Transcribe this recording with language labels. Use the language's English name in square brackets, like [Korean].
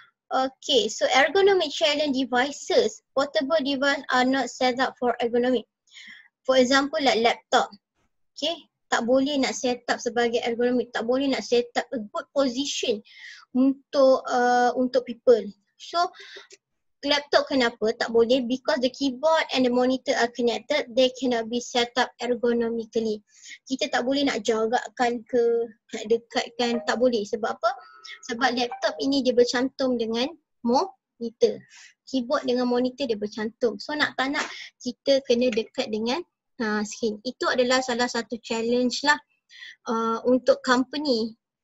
[English] Okay, so ergonomic challenge devices, portable device are not set up for ergonomic. For example, like laptop. [Malay] Okay, tak boleh nak set up sebagai ergonomic, tak boleh nak set up [English] a good position [Malay] untuk untuk people. So, laptop kenapa? Tak boleh [English] because the keyboard and the monitor are connected, they cannot be set up ergonomically. [Malay] Kita tak boleh nak jarakkan ke, nak dekatkan, tak boleh. Sebab apa? Sebab laptop ini dia bercantum dengan monitor. Keyboard dengan monitor dia bercantum. So nak tak nak kita kena dekat dengan screen. Itu adalah salah satu challenge lah untuk company.